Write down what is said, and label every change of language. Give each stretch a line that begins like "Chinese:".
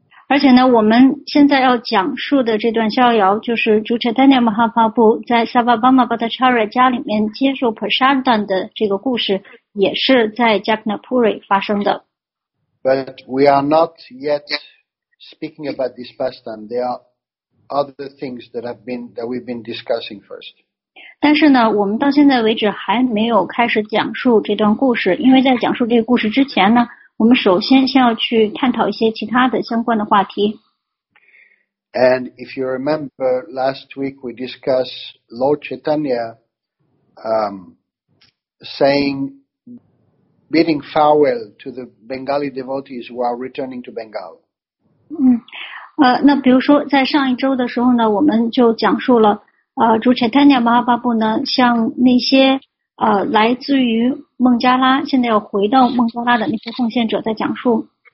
Chinese: 而且呢，我们现在要讲述的这段逍遥，就是主 Chaitanya Mahaprabhu 在 Samabhadra Acharya 家里面接受 prasadam 的这个故事，也是在 Jagannath Puri 发生的。
English: But we are not yet speaking about this pastime. There are other things that we've been discussing first.
Chinese: 但是呢我们到现在为止还没有开始讲述这段故事，因为在讲述这个故事之前呢，我们首先先要去探讨一些其他的相关的话题。
English: And if you remember, last week we discussed Lord Chaitanya, saying, bidding farewell to the Bengali devotees who are returning to Bengal.
Chinese: 那比如说在上一周的时候呢，我们就讲述了主 Chaitanya Mahaprabhu 呢向那些来自于孟加拉现在要回到孟加拉的那些奉献者在讲述。